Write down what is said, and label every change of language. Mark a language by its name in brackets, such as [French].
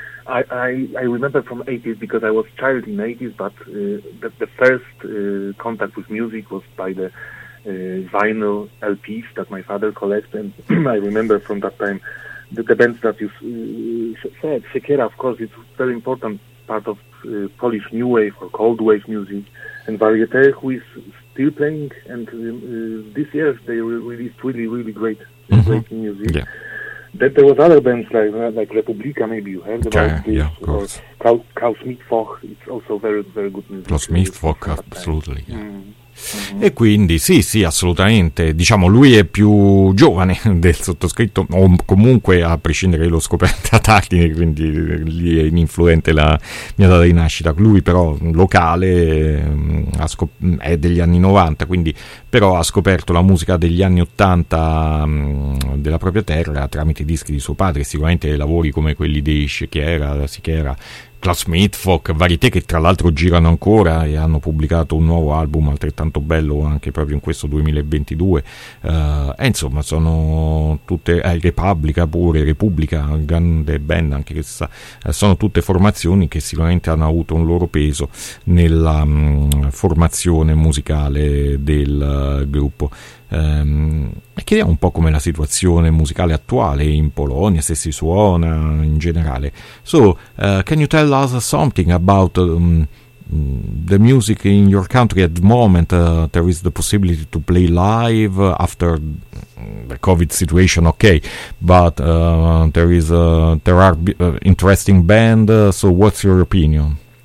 [English] I remember from 80s because I was a child in 80s, but the first contact with music was by the vinyl LPs that my father collected, and I remember from that time the bands that you said, Sekera, of course, it's very important part of Polish new wave or cold wave music, and Varieté, who is still playing, and this year they released really, really great, great music. Yeah. That there was other bands like Republika, maybe you heard about this. Yeah, of course. Or Klaus Mittwoch, it's also very, very good music. Klaus Mittwoch, absolutely, yeah. [Italian] Mm-hmm. E quindi sì, sì, assolutamente, diciamo lui è più giovane del sottoscritto, o comunque a prescindere che l'ho scoperta tardi, quindi lì è influente la mia data di nascita, lui però locale è degli anni 90, quindi però ha scoperto la musica degli anni 80 della propria terra tramite i dischi di suo padre, sicuramente lavori come quelli dei Sekera, Klaus Mittwoch, Varieté, che tra l'altro girano ancora e hanno pubblicato un nuovo album altrettanto bello anche proprio in questo 2022, e insomma sono tutte Repubblica, grande band anche questa, sono tutte formazioni che sicuramente hanno avuto un loro peso nella formazione musicale del gruppo. Chiediamo un po' come la situazione musicale attuale in Polonia, se si suona in generale. [English] So, can you tell us something about the music in your country at the moment? There is the possibility to play live after the COVID situation, okay, but there are interesting bands, so what's your opinion?